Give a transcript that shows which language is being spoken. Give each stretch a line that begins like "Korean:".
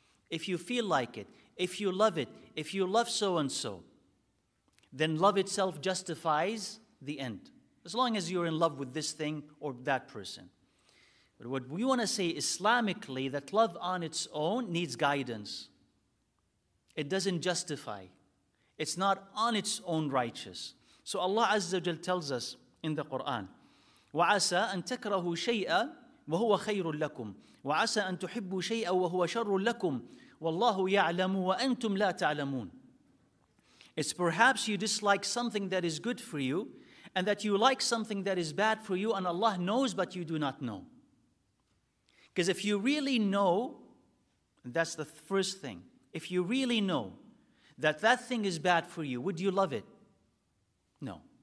English: If you feel like it, if you love it, if you love so-and-so, then love itself justifies the end. As long as you're in love with this thing or that person. But what we want to say Islamically, that love on its own needs guidance. It doesn't justify. It's not on its own righteous. So Allah Azza wa Jal tells us in the Quran,
Arabic: وَعَسَىٰ أَن تَكْرَهُ شَيْئًا وَهُوَ خَيْرٌ لَكُمْ وَعَسَىٰ أَن تُحِبُّوا شَيْئًا وَهُوَ شَرٌ لَكُمْ وَاللَّهُ يَعْلَمُ وَأَنْتُمْ لَا تَعْلَمُونَ.
English: It's perhaps you dislike something that is good for you, and that you like something that is bad for you, and Allah knows, but you do not know. Because if you really know, that's the first thing, if you really know that that thing is bad for you, would you love it? No.